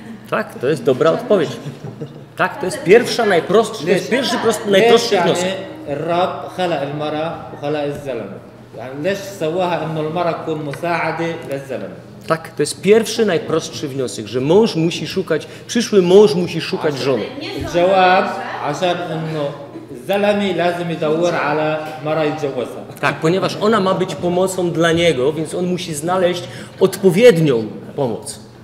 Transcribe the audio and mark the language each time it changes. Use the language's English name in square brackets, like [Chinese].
[Polish] Tak, to jest dobra odpowiedź. Tak, to jest pierwsza najprostsza, to jest pierwszy prosty najprostszy wniosek. [Arabic] الرب خلق المرأة وخلق الزلمة. يعني ليش سواها انه المرأة تكون مساعدة للزلمة؟ [Polish] Tak, to jest pierwszy najprostszy wniosek, że mąż musi szukać, przyszły mąż musi szukać żony. [Arabic] Jawab, عشان انه Zalami lazim idawur ala mara idziawasa. [Polish] Tak, ponieważ ona ma być pomocą dla niego, więc on musi znaleźć odpowiednią pomoc.